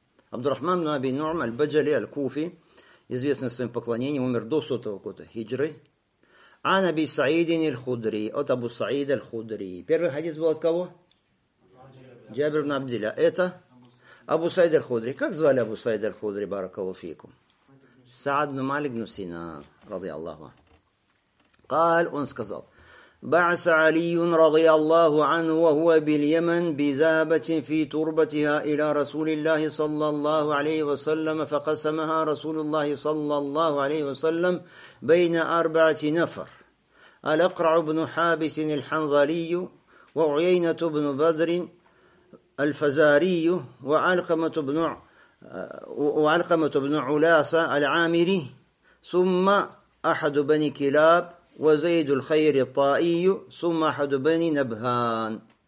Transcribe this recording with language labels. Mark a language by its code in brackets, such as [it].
[ru] Абдур-Рахман бин Аби Нуъм, Аль-Баджали, Аль-Куфи, известный своим поклонением, умер до 100 года хиджры. Ан Аби Саидин Аль-Худри. От Абу Саид Аль-Худри. Первый хадис был от кого? Джабир бин Абдилля. Это? Абу Саид Аль-Худри. Как звали Абу Саид Аль-Худри, баракаллаху фикум? Саад ибн Малик ибн Синан, ради Аллаху. [ar] قال [ru] он сказал: [ar] بعث علي رضي الله عنه وهو باليمن بذابة في تربتها الى رسول الله صلى الله عليه وسلم فقسمها رسول الله صلى الله عليه وسلم بين اربعه نفر Аль-Акра ибн Хабис аль-Ханзалий, ва Уйейна ибн Бадр аль-Фазарий, ва Алькама ибн Уляса аль-Амири, сумма احد بني كلاب وزيد الخير الطائي ثم احد بني نبهان.